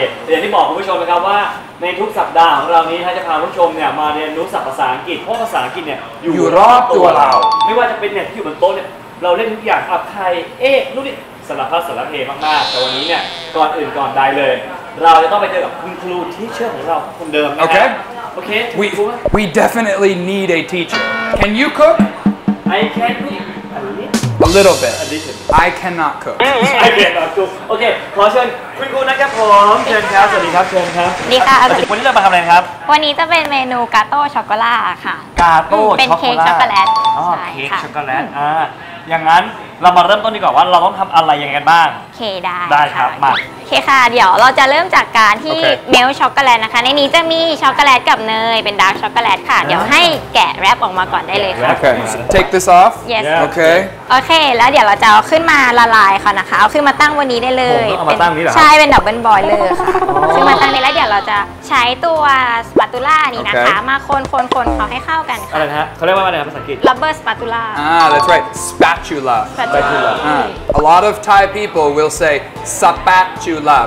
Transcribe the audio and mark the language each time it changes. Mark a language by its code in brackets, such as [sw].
[th] อย่างที่บอกคุณผู้ชมนะครับว่าในทุกสัปดาห์ของเรานี้ถ้าจะพาคุณผู้ชมเนี่ยมาเรียนรู้ศัพท์ภาษาอังกฤษเพราะภาษาอังกฤษเนี่ย อยู่รอบตัวเรา ไม่ว่าจะเป็นเนี่ยที่อยู่บนโต๊ะเนี่ยเราเล่นทุกอย่างอับไทยเอ๊ะนู่นนี่สารพัดสารเพมากๆแต่วันนี้เนี่ยก่อนอื่นก่อนใดเลยเราจะต้องไปเจอกับคุณครูที่เชื่อของเราคนเดิมนะครับ โอเค [en] We definitely need a teacher Can you cook I can cook A little bit. I cannot cook. I cannot cook. [th] Okay, ขอเชิญคุณครูนะครับผมเชิญครับ สวั สดี ครับ เชิ ญครับ ดี ค่ะ วันนี้เราไปทำอะไรครับ วันนี้จะเป็นเมนูกาโต้ช็อกโกแลตค่ะ กาโต้ เป็นเค้กช็อกโกแลต อ๋อเค้กช็อกโกแลตอย่างนั้นเรามาเริ่มต้นดีกว่าว่าเราต้องทำอะไรยังไงบ้าง เคได้ได้ครับมา เคค่ะเดี๋ยวเราจะเริ่มจากการที่เมลช็อกโกแลตนะคะในนี้จะมีช็อกโกแลตกับเนยเป็นดาร์กช็อกโกแลตค่ะเดี๋ยวให้แกะแรปออกมาก่อนได้เลยค่ะ [en] โอเค take this off yes okay [th] แล้วเดี๋ยวเราจะเอาขึ้นมาละลายค่ะนะคะเอาขึ้นมาตั้งบนนี้ได้เลย เอามาตั้งนี้เหรอ ใช่เป็นดับเบิลบอยเลยค่ะขึ้นมาตั้งนี้แล้วเดี๋ยวเราจะใช้ตัวสปาตูล่านี่นะคะมาคนเขาให้เข้ากัน อะไรนะฮะเขาเรียกว่าอะไรภาษาอังกฤษ [en] rubber spatula that's right spatula Spatula. A lot of Thai people will say spatula.